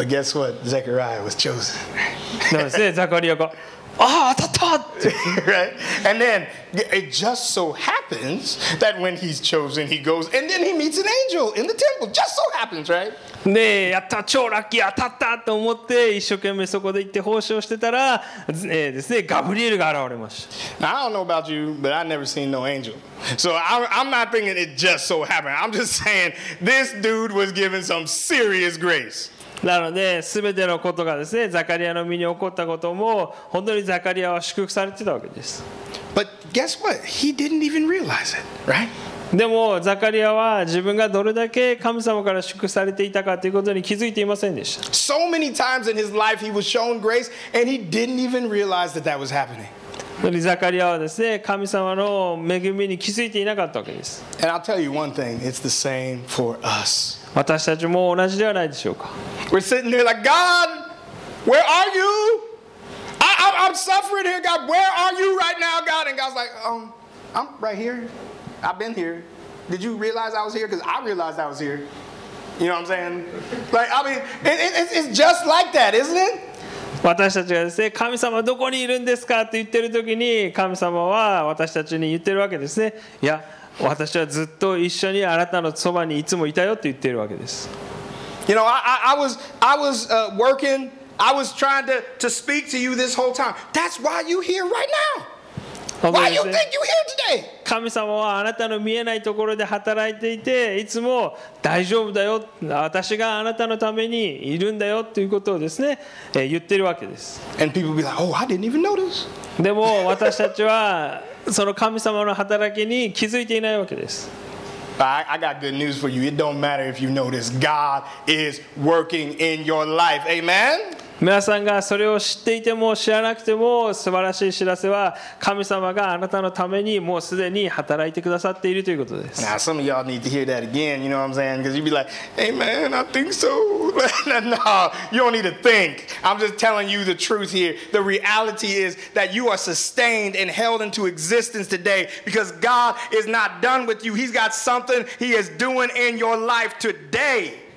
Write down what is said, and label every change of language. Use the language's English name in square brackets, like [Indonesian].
[English] But guess what? Zechariah was chosen. [Japanese] なんですね、ザカリアがああ当たったって [English] right? And then it just so happens that when he's chosen he goes and then he meets an angel in the temple. Just so happens, right? [Japanese] ねえ、やった超ラッキー当たったと思って一生懸命そこで行って奉仕をしてたら、ですね、ガブリエルが現れました。 [English] Now, I don't know about you, but I've never seen no angel. So I'm not thinking it just so happened. I'm just saying this dude was given some serious grace. [Japanese] なので全てのことがですね、ザカリアの身に起こったことも本当にザカリアは祝福されてたわけです。 [English] But guess what? He didn't even realize it, right? [Japanese] でもザカリアは自分がどれだけ神様から祝福されていたかということに気づいていませんでした。 [English] So many times in his life he was shown grace and he didn't even realize that that was happening. [Japanese] ザカリアはですね、神様の恵みに気づいていなかったわけです。 [English] And I'll tell you one thing, it's the same for us. [Japanese] 私たちも同じではないでしょうか。 [English] We're sitting there like, God, where are you? I'm suffering here, God. Where are you right now, God? And God's like, I'm right here. I've been here. Did you realize I was here? Because I realized I was here. You know what I'm saying? Like, I mean, it's just like that, isn't it? [Japanese] 私たちがですね、神様どこにいるんですかって言ってる時に、神様は私たちに言ってるわけですね。いや、私はずっと一緒にあなたのそばにいつもいたよって言ってるわけです。 [English] You know, I was working. I was trying to speak to you this whole time. That's why you're here right now. Why you think you're here today? [Japanese] 神様はあなたの見えないところで働いていて、いつも大丈夫だよ、私があなたのためにいるんだよということをですね、言ってるわけです。 [English] And people be like, oh, I didn't even notice. [Japanese] でも私たちはその神様の働きに気づいていないわけです。 [English] I got good news for you. It don't matter if you notice. God is working in your life. Amen? [Japanese] 皆さんがそれを知っていても知らなくても素晴らしい知らせは神様があなたのためにもうすでに働いてくださっているということです。 [English] Now some of y'all need to hear that again, you know what I'm saying? Because you'd be like, Amen, I think so. No, you don't need to think. I'm just telling you the truth here. The reality is that you are sustained and held into existence today because God is not done with you. He's got something He is doing in your life today.